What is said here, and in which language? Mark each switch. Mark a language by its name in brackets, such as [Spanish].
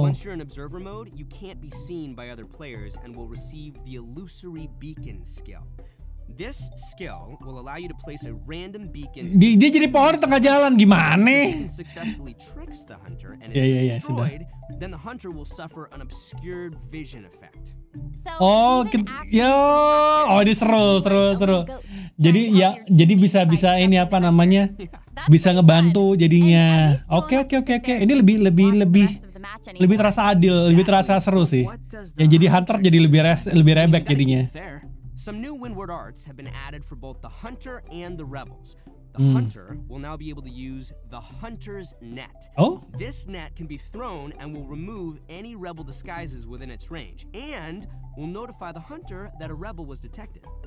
[English] Once you're in observer mode, you can't be seen by other players and will receive the illusory beacon skill. This skill will allow you to place a random beacon. [Indonesian] Dia jadi pohon tengah jalan gimana? [English] Successfully tricks the hunter and is destroyed. Then the hunter will suffer an obscured vision effect. [Indonesian] So, ini seru. Jadi bisa ini apa namanya? Bisa ngebantu jadinya. Oke. Ini lebih terasa adil, lebih terasa seru sih. Ya jadi hunter jadi lebih rebek jadinya. [English] Some new Windward arts have been added for both the hunter and the rebels. The hunter will now be able to use the hunter's net. Oh? This net can be thrown and will remove any rebel disguises within its range and will notify the hunter that a rebel was detected.